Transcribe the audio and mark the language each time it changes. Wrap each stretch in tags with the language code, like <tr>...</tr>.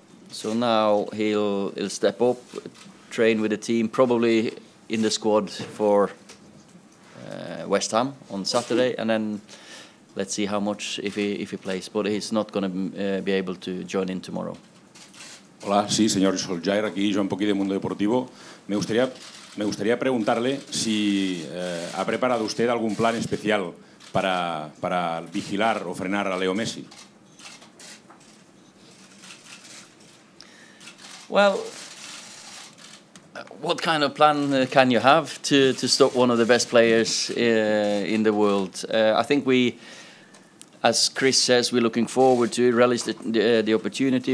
<en>So now he'll step up, train with the team, probably in the squad for West Ham on Saturday, and then let's see how much if he plays. But he's not going to be able to join in tomorrow.</en> <es>Hola, sí, señor Solskjær, aquí yo un poquito de Mundo Deportivo. Me gustaría preguntarle si ha preparado usted algún plan especial para vigilar o frenar a Leo Messi.</es> <en>Well, what kind of plan can you have to stop one of the best players in the world? I think we, as Chris says, we're looking forward to relish the opportunity.</en>